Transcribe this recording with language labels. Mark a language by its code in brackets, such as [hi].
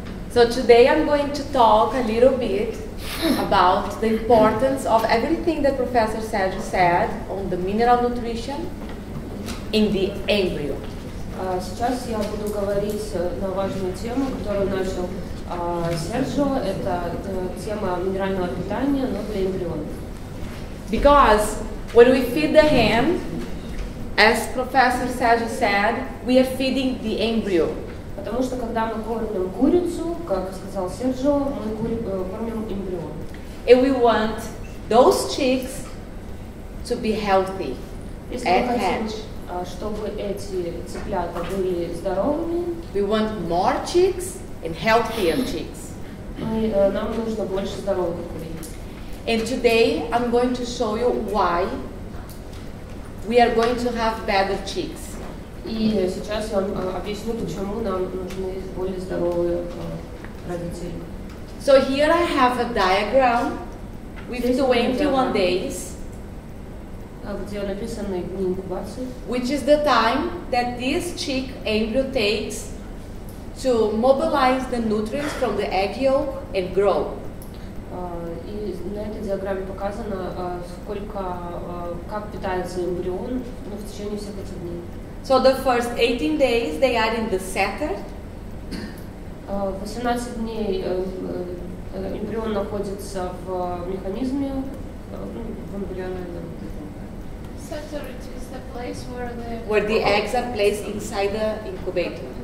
[en] So today I'm going to talk a little bit about the importance of everything that Professor Sergio said on the mineral nutrition in the embryo. [ru] Сейчас я буду говорить на важную тему, которую начал Серджио. Это тема минерального питания, но для эмбриона. [en] Because when we feed the hen, as Professor Sergio said, we are feeding the embryo. [ru] Потому что когда мы кормим курицу, как сказал Серджио, мы кормим эмбрион. [en] And we want those chicks to be healthy at hatch. [ru] Чтобы эти цыплята были здоровыми. [en] We want more chicks and healthier chicks. [ru] Нам нужно больше здоровых курей. [en] And today I'm going to show you why we are going to have better chicks. [ru] И сейчас я вам объясню, почему нам нужны более здоровые родители. [en] So here I have a diagram with 21 days. [ru] Где написаны дни инкубации. [en] Which is the time that this chick embryo takes to mobilize the nutrients from the egg yolk and grow. [ru] И на этой диаграмме показано, сколько, как питается эмбрион в течение всех этих дней. [en] So the first 18 days they are in the setter. [ru] 18 дней эмбрион находится в механизме, в эмбрионе. [en] Setter, it is the place where the eggs are placed inside the incubator.